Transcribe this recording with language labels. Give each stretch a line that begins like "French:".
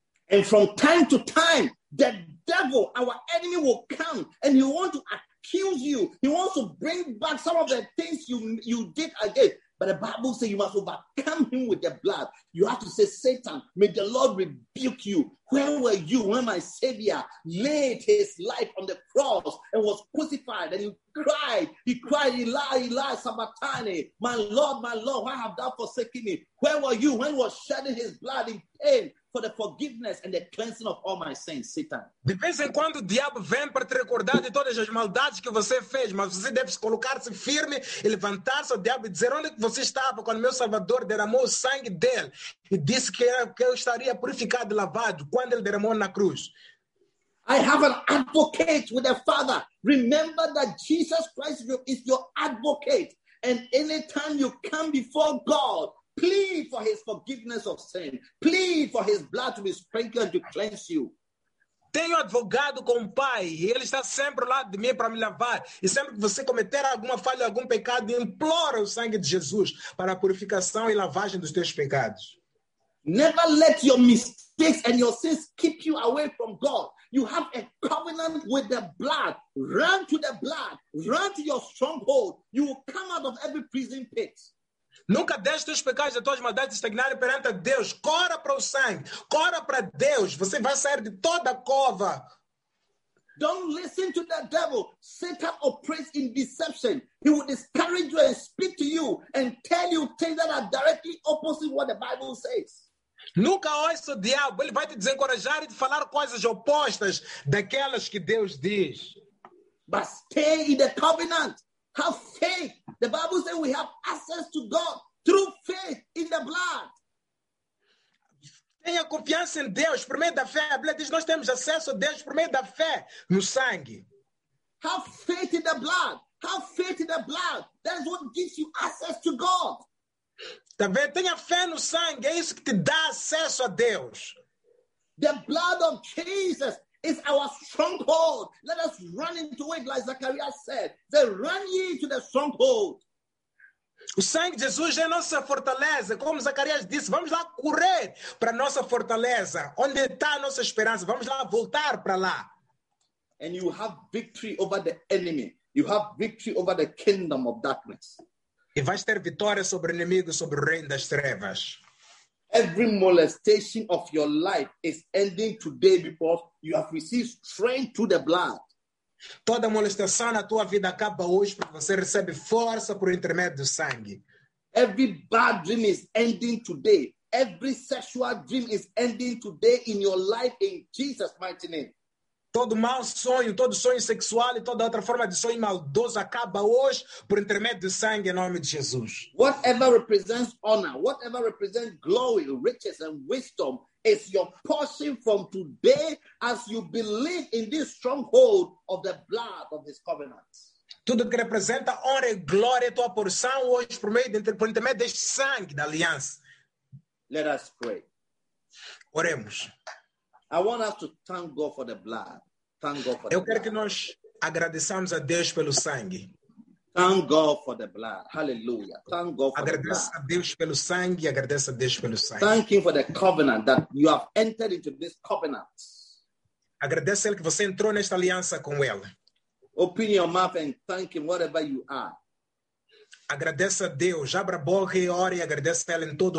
English: And from time to time, the devil, our enemy, will come and he wants to accuse you. He wants to bring back some of the things you did again. But the Bible says you must overcome him with the blood. You have to say, Satan, may the Lord rebuke you. Where were you when my Savior laid his life on the cross and was crucified? And he cried, Eli, Sabbatani, my Lord, why have thou forsaken me? Where were you when he was shedding his blood in pain for the forgiveness and the cleansing of all my sins, Satan?
Portuguese: De vez em quando o diabo vem para te recordar de todas as maldades que você fez, mas você deve colocar-se firme e levantar-se ao diabo e dizer onde você estava quando meu Salvador derramou o sangue dele e disse que eu estaria purificado e lavado quando ele derramou na cruz.
English: I have an advocate with the Father. Remember that Jesus Christ is your advocate. And anytime you come before God, plead for his forgiveness of sin. Plead for his blood to be sprinkled to cleanse you.
Portuguese: Tenho advogado com o Pai, e ele está sempre ao lado de mim para me lavar. E sempre que você cometer alguma falha, algum pecado, implora o sangue de Jesus para a purificação e lavagem dos teus pecados.
English: Never let your mistakes and your sins keep you away from God. You have a covenant with the blood. Run to the blood. Run to your stronghold. You will come out of every prison pit.
Portuguese: Nunca deixe teus pecados e tuas maldades estagnarem perante a Deus. Corra para o sangue. Corra para Deus. Você vai sair de toda a cova.
English: Don't listen to the devil. Satan operates in deception. He will discourage you and speak to you and tell you things that are directly opposite what the Bible says.
Portuguese: Nunca ouça o diabo. Ele vai te desencorajar e te falar coisas opostas daquelas que Deus diz.
English: But stay in the covenant. Have faith. The Bible says we have access to God through faith in the blood.
Portuguese: Tenha confiança em Deus por meio da fé. A Bíblia diz que nós temos acesso a Deus por meio da fé no sangue.
English: Have faith in the blood. Have faith in the blood. That is what gives you access to God.
Portuguese: Tá vendo? Tenha fé no sangue. É isso que te dá acesso a Deus.
English: The blood of Jesus. It's our stronghold. Let us run into it, like Zachariah said. Then run ye to the stronghold.
Portuguese: O sangue de Jesus é nossa fortaleza. Como Zacarias disse, vamos lá correr para nossa fortaleza. Onde está a nossa esperança? Vamos lá voltar para lá.
English: And you have victory over the enemy. You have victory over the kingdom of darkness.
Portuguese: E vais ter vitória sobre o inimigo, sobre o reino das trevas.
English: Every molestation of your life is ending today because you have received strength through the blood.
Portuguese: Toda molestação na tua vida acaba hoje porque você recebe força por intermédio do sangue.
English: Every bad dream is ending today. Every sexual dream is ending today in your life in Jesus' mighty name.
Portuguese: Todo mau sonho, todo sonho sexual e toda outra forma de sonho maldoso acaba hoje por intermédio do sangue em nome de Jesus.
English: Whatever represents honor, whatever represents glory, riches and wisdom is your portion from today as you believe in this stronghold of the blood of his covenant.
Portuguese: Tudo que representa honra e glória é tua porção hoje por intermédio deste sangue da aliança.
English: Let us pray.
Portuguese: Oremos.
English: I want us to thank God for the blood. Thank God for
Portuguese: Eu quero que nós agradeçamos a Deus pelo sangue.
English: Thank God for the blood. Hallelujah. Thank God for
Portuguese: agradeço Agradeço a Deus pelo sangue, agradeço a Deus pelo sangue.
English: Thank you for the covenant that you have entered into this covenant.
Portuguese: Agradeço a Ele que você entrou nesta aliança com Ele.
English: Open your mouth and thank Him whatever you are.
Portuguese: Agradeça a Deus, abra a boca e ore e agradeça a Ele em todo